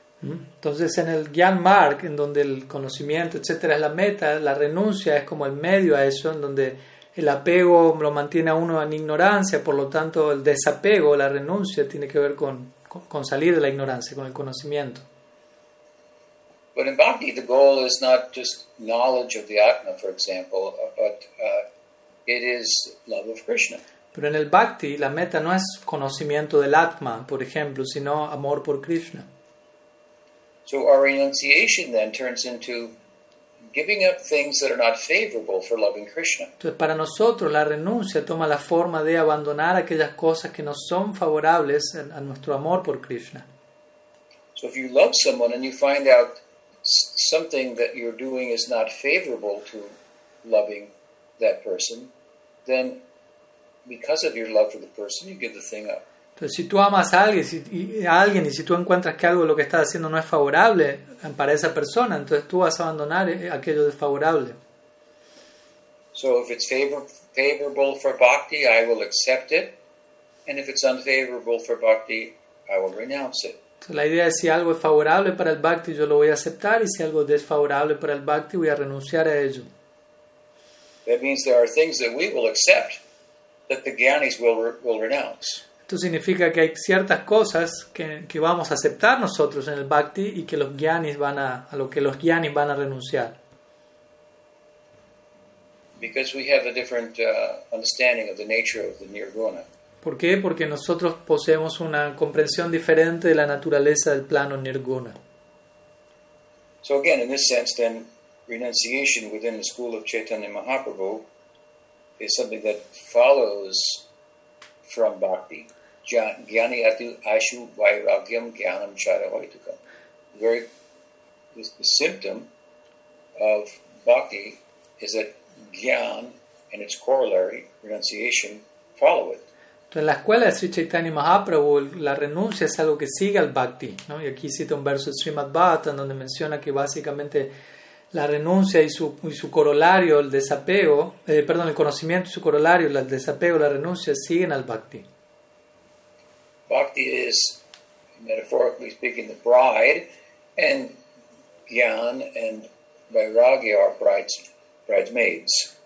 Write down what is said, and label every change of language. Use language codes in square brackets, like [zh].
[es] Entonces en el Gyanmarg, en donde el conocimiento, etc., es la meta, la renuncia es como el medio a eso, en donde el apego lo mantiene a uno en ignorancia, por lo tanto el desapego, la renuncia, tiene que ver con salir de la ignorancia, con el conocimiento. [en] But in bhakti, the goal is not just knowledge of the Atma, for example, but it is love of Krishna. [es] Pero en el bhakti, la meta no es conocimiento del Atma, por ejemplo, sino amor por Krishna. [en] So our renunciation then turns into giving up things that are not favorable for loving Krishna. [es] Entonces, para nosotros, la renuncia toma la forma de abandonar aquellas cosas que no son favorables a nuestro amor por Krishna. [en] So if you love someone and you find out something that you're doing is not favorable to loving that person, then because of your love for the person, you give the thing up. [es] Entonces, si tú amas a alguien y si tú encuentras que algo lo que estás haciendo no es favorable para esa persona, entonces tú vas a abandonar aquello desfavorable. [en] So if it's favorable for bhakti, I will accept it, and if it's unfavorable for bhakti, I will renounce it. [es] La idea es, si algo es favorable para el bhakti, yo lo voy a aceptar, y si algo es desfavorable para el bhakti, voy a renunciar a ello. [en] That means there are things that we will accept that the gyanis will renounce. [es] Esto significa que hay ciertas cosas que vamos a aceptar nosotros en el bhakti y que los gyanis van a renunciar. [en] Because we have a different understanding of the nature of the nirguna. [es] ¿Por qué? Porque nosotros poseemos una comprensión diferente de la naturaleza del plano nirguna. [en] So again, in this sense, then, renunciation within the school of Chaitanya Mahaprabhu is something that follows from bhakti. [sa] Jnani atu ashu vairagyam jnanam charavaitukam. [en] Very, the symptom of bhakti is that jnan and its corollary, renunciation, follow it. [es] Entonces, en la escuela de Sri Chaitanya Mahaprabhu, la renuncia es algo que sigue al bhakti, ¿no? Y aquí cita un verso de Srimad Bhagavatam donde menciona que básicamente la renuncia y su corolario, el desapego, el conocimiento y su corolario, el desapego, la renuncia, siguen al bhakti. [en] Bhakti is, metaphorically speaking, the bride, and jnana and vairagya are bridesmaids.